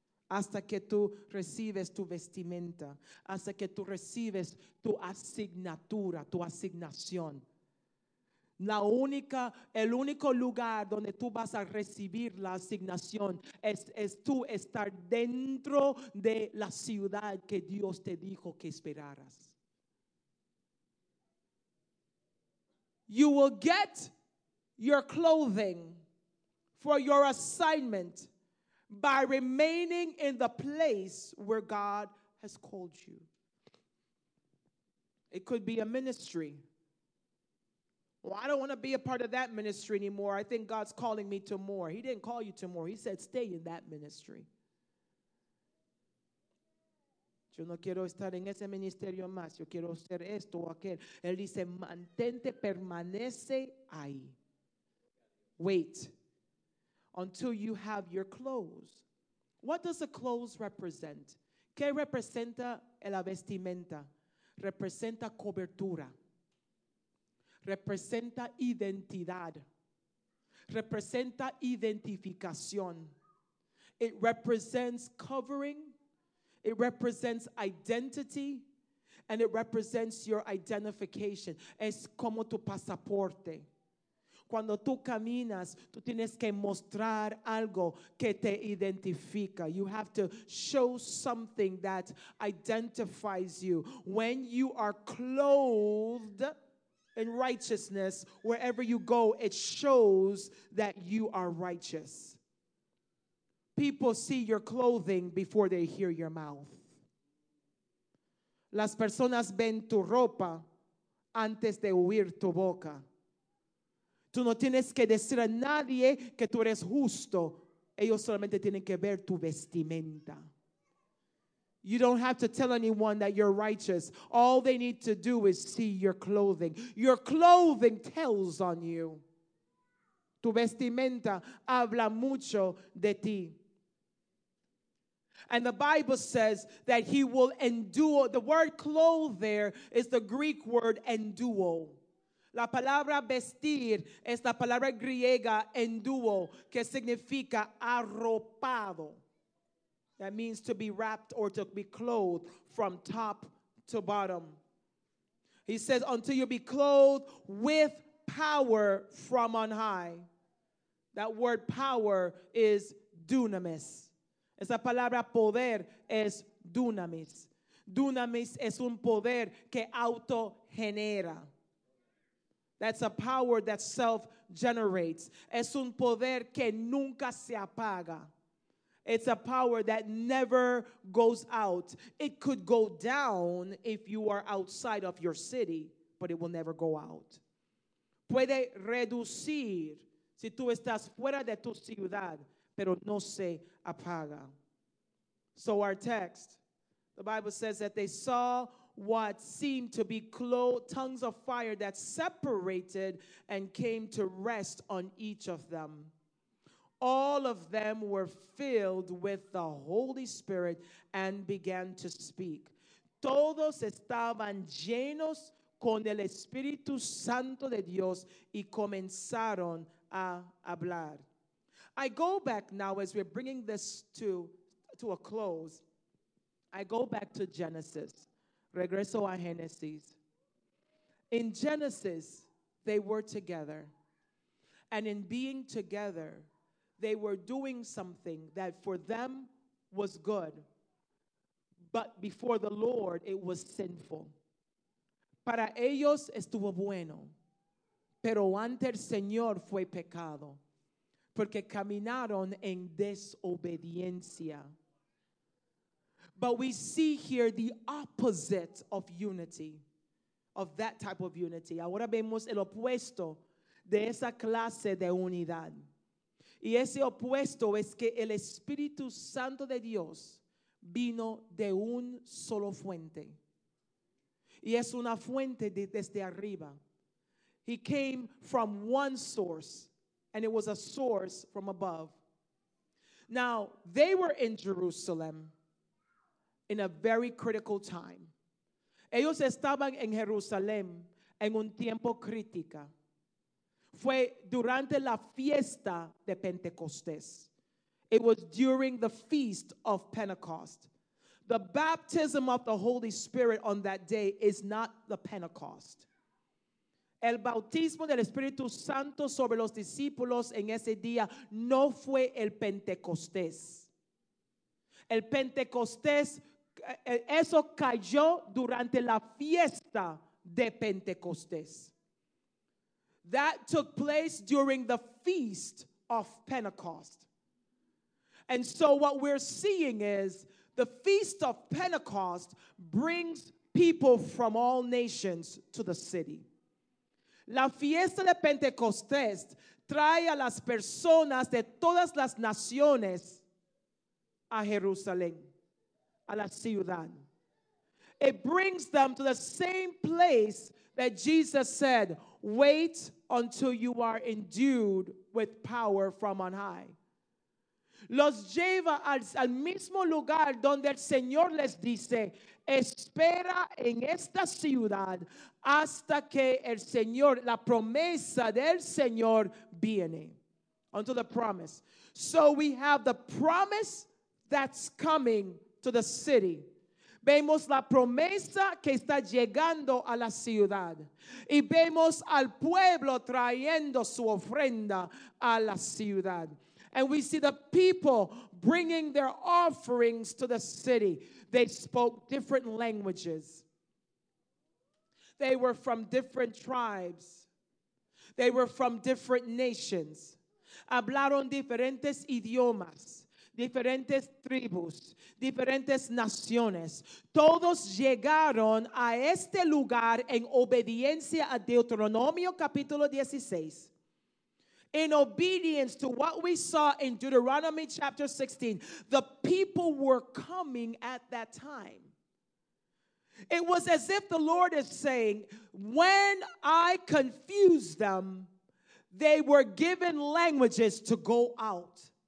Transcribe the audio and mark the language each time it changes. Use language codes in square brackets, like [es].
[es] Hasta que tú recibes tu vestimenta, hasta que tú recibes tu asignatura, tu asignación. El único lugar donde tú vas a recibir la asignación es tú estar dentro de la ciudad que Dios te dijo que esperaras. [en] You will get your clothing for your assignment by remaining in the place where God has called you. It could be a ministry. Well, I don't want to be a part of that ministry anymore. I think God's calling me to more. He didn't call you to more. He said, stay in that ministry. [es] Yo no quiero estar en ese ministerio más. Yo quiero ser esto o aquel. Él dice, mantente, permanece ahí. [en] Wait. Until you have your clothes. What does the clothes represent? [es] ¿Qué representa la vestimenta? Representa cobertura. Representa identidad. Representa identificación. [en] It represents covering. It represents identity. And it represents your identification. [es] Es como tu pasaporte. Cuando tú caminas, tú tienes que mostrar algo que te identifica. [en] You have to show something that identifies you. When you are clothed in righteousness, wherever you go, it shows that you are righteous. People see your clothing before they hear your mouth. [es] Las personas ven tu ropa antes de oír tu boca. Tú no tienes que decir a nadie que tú eres justo. Ellos solamente tienen que ver tu vestimenta. [en] You don't have to tell anyone that you're righteous. All they need to do is see your clothing. Your clothing tells on you. [es] Tu vestimenta habla mucho de ti. [en] And the Bible says that he will endure. The word clothe there is the Greek word enduo. [es] La palabra vestir es la palabra griega enduo, que significa arropado. [en] That means to be wrapped or to be clothed from top to bottom. He says, until you be clothed with power from on high. That word power is dunamis. [es] Esa palabra poder es dunamis. Dunamis es un poder que autogenera. [en] That's a power that self-generates. [es] Es un poder que nunca se apaga. [en] It's a power that never goes out. It could go down if you are outside of your city, but it will never go out. [es] Puede reducir si tú estás fuera de tu ciudad, pero no se apaga. [en] So our text, the Bible says that they saw what seemed to be tongues of fire that separated and came to rest on each of them. All of them were filled with the Holy Spirit and began to speak. [es] Todos estaban llenos con el Espíritu Santo de Dios y comenzaron a hablar. [en] I go back now as we're bringing this to a close. I go back to Genesis. [es] Regreso a Genesis. [en] In Genesis, they were together. And in being together, they were doing something that for them was good. But before the Lord, it was sinful. [es] Para ellos estuvo bueno. Pero ante el Señor fue pecado. Porque caminaron en desobediencia. [en] But we see here the opposite of unity, of that type of unity. [es] Ahora vemos el opuesto de esa clase de unidad. Y ese opuesto es que el Espíritu Santo de Dios vino de un solo fuente. Y es una fuente desde arriba. [en] He came from one source, and it was a source from above. Now, they were in Jerusalem in a very critical time. [es] Ellos estaban en Jerusalén en un tiempo crítica. Fue durante la fiesta de Pentecostés. [en] It was during the feast of Pentecost. The baptism of the Holy Spirit on that day is not the Pentecost. [es] El bautismo del Espíritu Santo sobre los discípulos en ese día no fue el Pentecostés. El Pentecostés, eso cayó durante la fiesta de Pentecostés. [en] That took place during the feast of Pentecost. And so what we're seeing is the feast of Pentecost brings people from all nations to the city. [es] La fiesta de Pentecostés trae a las personas de todas las naciones a Jerusalén, a la ciudad. [en] It brings them to the same place that Jesus said, wait until you are endued with power from on high. [es] Los lleva al mismo lugar donde el Señor les dice, espera en esta ciudad hasta que el Señor, la promesa del Señor viene. [en] Unto the promise. So we have the promise that's coming to the city. [es] Vemos la promesa que está llegando a la ciudad. Y vemos al pueblo trayendo su ofrenda a la ciudad. [en] And we see the people bringing their offerings to the city. They spoke different languages. They were from different tribes. They were from different nations. [es] Hablaron diferentes idiomas. Diferentes tribus, diferentes naciones. Todos llegaron a este lugar en obediencia a Deuteronomio capítulo 16. [en] In obedience to what we saw in Deuteronomy chapter 16, the people were coming at that time. It was as if the Lord is saying, when I confused them, they were given languages to go out.